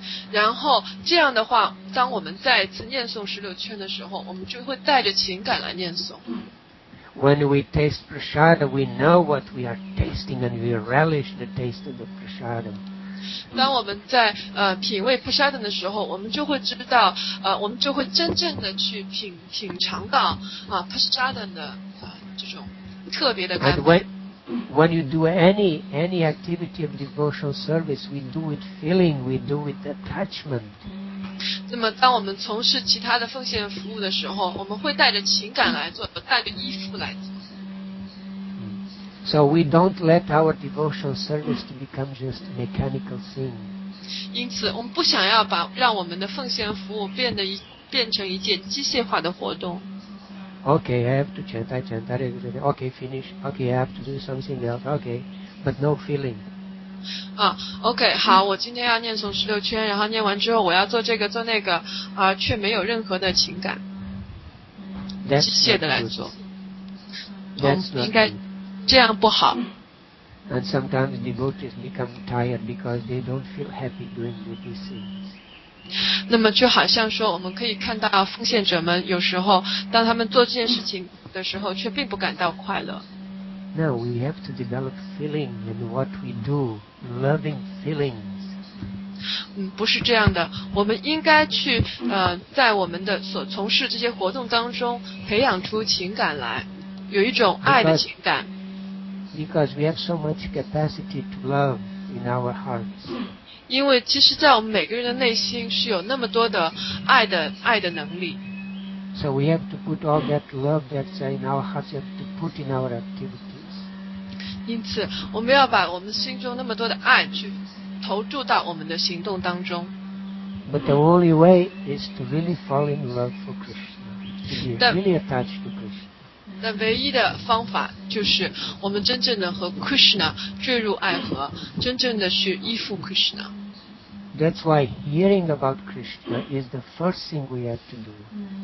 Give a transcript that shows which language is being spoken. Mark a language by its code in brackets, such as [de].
[zh] 然后这样的话，当我们再次念诵十六圈的时候，我们就会带着情感来念诵。 [en] When we taste prasadam, we know what we are tasting and we relish the taste of the prasadam. [zh] 当我们在品味菩萨等的时候，我们就会知道我们就会真正的去品尝到菩萨等的这种特别的感觉。 [en] When you do any activity of devotional service, we do with feeling, we do with attachment. [zh] 那么当我们从事其他的奉献服务的时候，我们会带着情感来做，带着依附来做。 [en] So we don't let our devotional service to become just a mechanical thing. [zh] 因此，我们不想要让我们的奉献服务变成一件机械化的活动。 [en] Okay, I have to chant, I chant that every day. Okay, finish. Okay, I have to do something else. Okay, but no feeling. [zh] Okay, 好，我今天要念诵十六圈，然后念完之后我要做这个做那个，却没有任何的情感，机械的来做。 [en] That's not true. [zh] 这样不好。 [en] And sometimes devotees become tired because they don't feel happy doing these things. [zh] 那么就好像说，我们可以看到奉献者们有时候，当他们做这件事情的时候，却并不感到快乐。 [en] No, we have to develop feeling in what we do, loving feelings. [zh] 不是这样的。我们应该去在我们的所从事这些活动当中，培养出情感来，有一种爱的情感。 [en] Because we have so much capacity to love in our hearts. [zh] 因为其实在我们每个人的内心是有那么多的爱的能力。 [en] So we have to put all that love that's in our hearts, we have to put in our activities. [zh] 因此我们要把我们心中那么多的爱去投注到我们的行动当中。 [en] But the only way is to really fall in love for Krishna, to be really attached to Krishna. [zh] 但唯一的方法就是我们真正的和 Krishna 坠入爱河，真正的去依附 Krishna。 [en] That's why hearing about Krishna is the first thing we have to do.